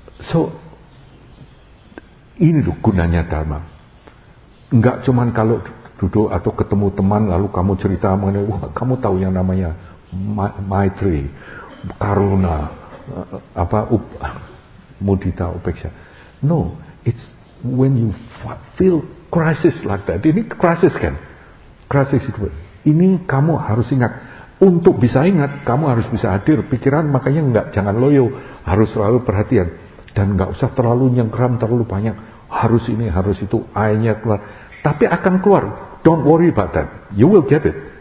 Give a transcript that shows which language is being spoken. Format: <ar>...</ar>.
<id>So, ini loh gunanya Dharma. Enggak cuma kalau duduk atau ketemu teman, lalu kamu cerita mengenai, wah kamu tahu yang namanya Maitri, Karuna, apa mudita upeksa.</id> <en>No, it's when you feel crisis like that.</en> <id>Ini crisis kan? Crisis itu. Ini kamu harus ingat. Untuk bisa ingat, kamu harus bisa hadir pikiran. Makanya enggak, jangan loyo, harus selalu perhatian dan enggak usah terlalu nyengkram, terlalu banyak harus ini, harus itu, airnya keluar. Tapi akan keluar.</id> <en>Don't worry about that. You will get it.</en>